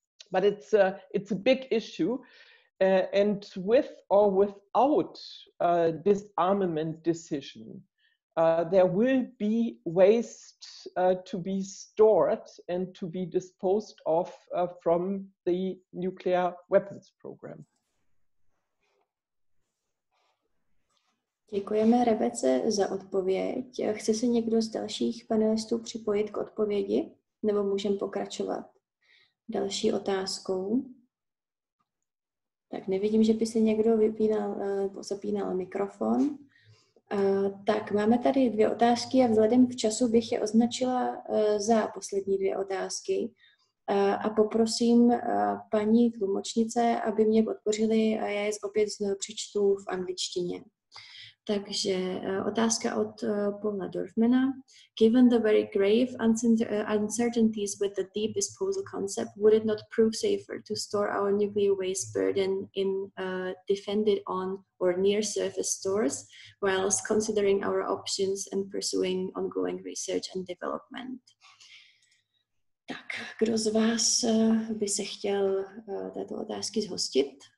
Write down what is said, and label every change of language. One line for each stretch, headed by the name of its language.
English: But it's a big issue. And with or without a disarmament decision, there will be waste to be stored and to be disposed of from the nuclear weapons program.
Czech: Děkujeme Rebece za odpověď. Chce se někdo z dalších panelistů připojit k odpovědi? Nebo můžeme pokračovat další otázkou? Tak nevidím, že by se někdo zapínal mikrofon. Tak máme tady dvě otázky a vzhledem k času bych je označila za poslední dvě otázky. A poprosím paní tlumočnice, aby mě podpořili a já je opět přečtu v angličtině. Takže otázka od Paula Dorfmana.
English: Given the very grave uncertainties with the deep disposal concept, would it not prove safer to store our nuclear waste burden in defended on or near surface stores whilst considering our options and pursuing ongoing research and development?
Czech: Tak, kdo z vás by se chtěl této otázky zhostit?